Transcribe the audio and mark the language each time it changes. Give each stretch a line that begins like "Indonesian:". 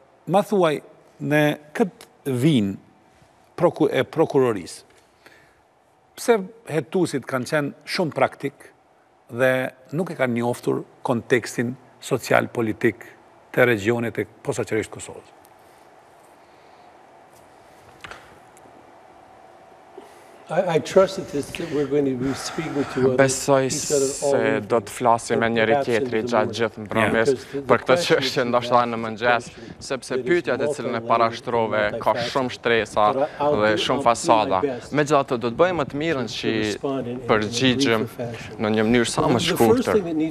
Albanian: Ma thuaj, në këtë vinë e prokurorisë, pse hetuesit kanë qenë shumë praktik dhe nuk e kanë njoftur kontekstin social-politik të regionet e posaçërisht Kosovës?
English: I trust that we're going to be speaking to others.
Albanian: Besoj se do të flasim me njëri tjetri gjatë gjithë mbrëmjes për këtë çështje ndoshta në mëngjes, sepse pyetja të cilën e parashtrove ka shumë shtresa dhe shumë fasada. Megjithatë do të bëjmë më të mirën që përgjigjem në një mënyrë sa më të shkurtër.